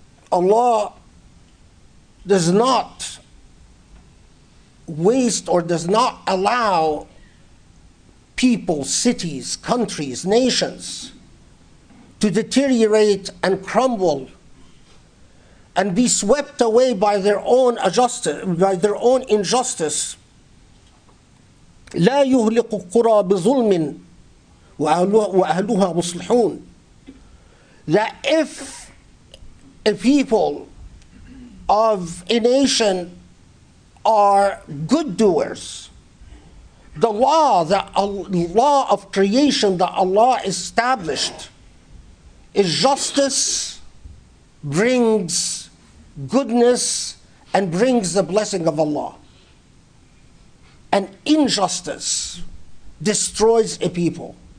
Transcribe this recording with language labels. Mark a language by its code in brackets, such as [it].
[en] Allah does not waste or does not allow people, cities, countries, nations to deteriorate and crumble and be swept away by their own injustice. [ar] لا يهلك القرى بظلم وأهلها مصلحون. [en] That if a people of a nation are good doers, the law that law of creation that Allah established is justice, brings goodness and brings the blessing of Allah, and injustice destroys a people.